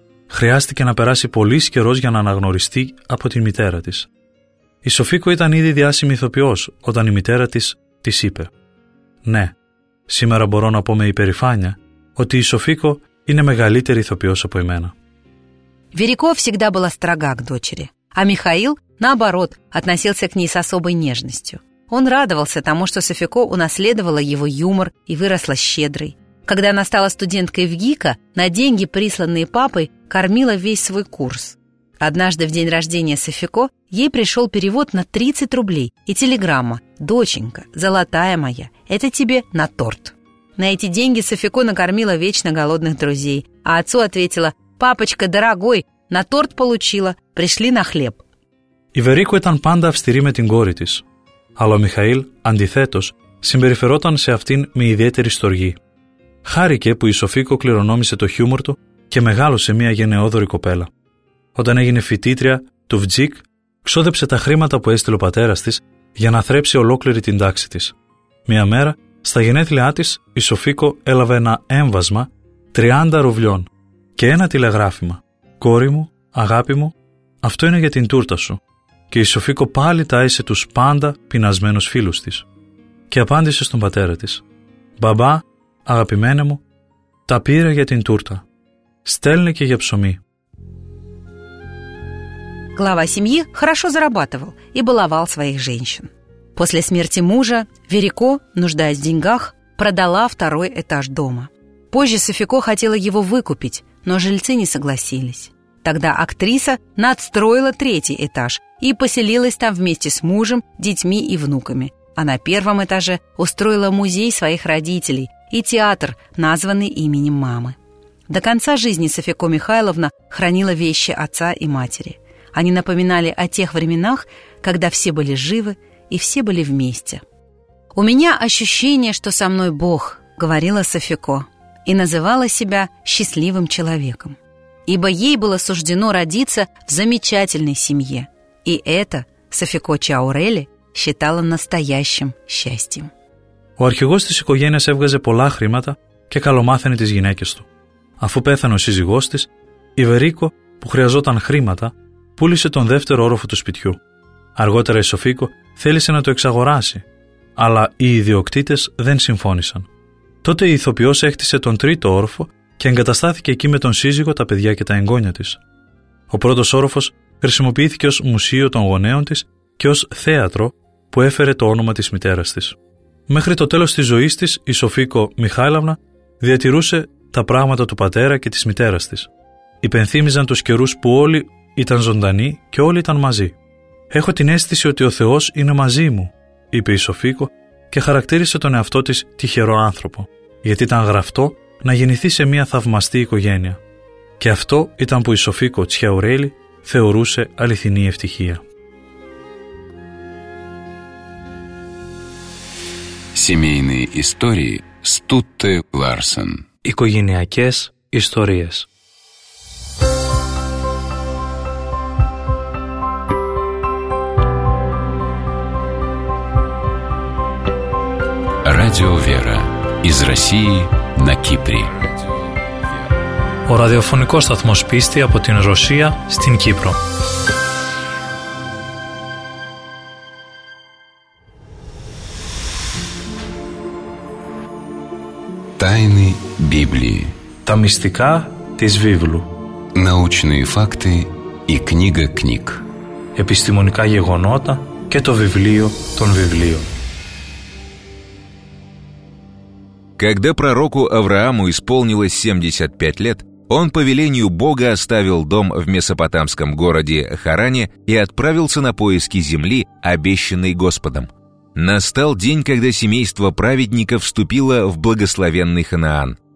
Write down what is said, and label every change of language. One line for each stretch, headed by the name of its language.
Greek: Χρειάστηκε να περάσει πολύς καιρός για να αναγνωριστεί από την μητέρα της. Η Σοφίκο ήταν ήδη διάσημη ηθοποιός όταν η μητέρα της είπε: «Ναι, σήμερα μπορώ να πω με υπερηφάνεια ότι η Σοφίκο είναι μεγαλύτερη ηθοποιός από εμένα».
Russian: Верико всегда была строга к дочери, а Михаил, наоборот, относился к ней с особой нежностью. Он радовался тому, что Софико унаследовала его юмор и выросла щедрой. Когда она стала студенткой в ГИКа, на деньги, присланные папой, кормила весь свой курс. Однажды в день рождения Софико ей пришел перевод на 30 рублей и телеграмма: «Доченька, золотая моя, это тебе на торт». На эти деньги Софико накормила вечно голодных друзей, а отцу ответила: «Папочка, дорогой, на торт получила, пришли на хлеб».
Greek: Η Βερίκο ήταν πάντα αυστηρή με την κόρη της, αλλά ο Μιχαήλ, αντιθέτως, συμπεριφερόταν σε αυτήν με ιδιαίτερη στοργή. Χάρηκε που η Σοφίκο κληρονόμησε το χιούμορ του και μεγάλωσε μια γενναιόδορη κοπέλα. Όταν έγινε φοιτήτρια του ΒΤΖΙΚ, ξόδεψε τα χρήματα που έστειλε ο πατέρας της για να θρέψει ολόκληρη την τάξη της. Μια μέρα, στα γενέθλιά της, η Σοφίκο έλαβε ένα έμβασμα 30 ρουβλιών και ένα τηλεγράφημα: «Κόρη μου, αγάπη μου, αυτό είναι για την τούρτα σου». Και η Σοφίκο πάλι τάισε τους πάντα πεινασμένους φίλους της και απάντησε στον πατέρα της: «Μπαμπά, αγαπημένε μου, τα πήρα για την τούρτα. Στέλνε και για ψωμί».
Russian: Глава семьи хорошо зарабатывал и баловал своих женщин. После смерти мужа Верико, нуждаясь в деньгах, продала второй этаж дома. Позже Софико хотела его выкупить, но жильцы не согласились. Тогда актриса надстроила третий этаж и поселилась там вместе с мужем, детьми и внуками. А на первом этаже устроила музей своих родителей и театр, названный именем мамы. До конца жизни Софико Михайловна хранила вещи отца и матери. Они напоминали о тех временах, когда все были живы и все были вместе. «У меня ощущение, что со мной Бог», — говорила Софико, и называла себя счастливым человеком. Ибо ей было суждено родиться в замечательной семье, и это Софико Чаурели считала настоящим счастьем.
Greek: Ο αρχηγός της οικογένειας έβγαζε πολλά χρήματα και καλομάθαινε τις γυναίκες του. Αφού πέθανε ο σύζυγός της, η Βερίκο, που χρειαζόταν χρήματα, πούλησε τον δεύτερο όροφο του σπιτιού. Αργότερα η Σοφίκο θέλησε να το εξαγοράσει, αλλά οι ιδιοκτήτες δεν συμφώνησαν. Τότε η ηθοποιός έκτισε τον τρίτο όροφο και εγκαταστάθηκε εκεί με τον σύζυγο, τα παιδιά και τα εγγόνια της. Ο πρώτος όροφος χρησιμοποιήθηκε ως μουσείο των γονέων της και ως θέατρο που έφερε το όνομα της μητέρας της. Μέχρι το τέλος της ζωής της, η Σοφίκο Μιχάηλαυνα διατηρούσε τα πράγματα του πατέρα και της μητέρας της. Υπενθύμιζαν τους καιρούς που όλοι ήταν ζωντανοί και όλοι ήταν μαζί. «Έχω την αίσθηση ότι ο Θεός είναι μαζί μου», είπε η Σοφίκο και χαρακτήρισε τον εαυτό της τυχερό άνθρωπο, γιατί ήταν γραφτό να γεννηθεί σε μια θαυμαστή οικογένεια. Και αυτό ήταν που η Σοφίκο Τσιαουρέλη θεωρούσε αληθινή ευτυχία.
Russian: Семейные истории Стутте Ларсен.
Greek: Οικογενειακές ιστορίες.
Russian: Радио Вера. Из России на Кипре.
Greek: Ο ραδιοφωνικός σταθμός πίστη από την Ρωσία στην Κύπρο.
Russian: Тайны Библии.
Greek: Та мистика тис Библу.
Russian: Научные факты и книга книг.
Greek: Эпистемоника гегонота και το βιβλίο των βιβλίων.
Russian: Когда пророку Аврааму исполнилось 75 лет, он по велению Бога оставил дом в месопотамском городе Харане и отправился на поиски земли, обещанной Господом. Настал день, когда семейство праведника вступило в благословенный Ханаан.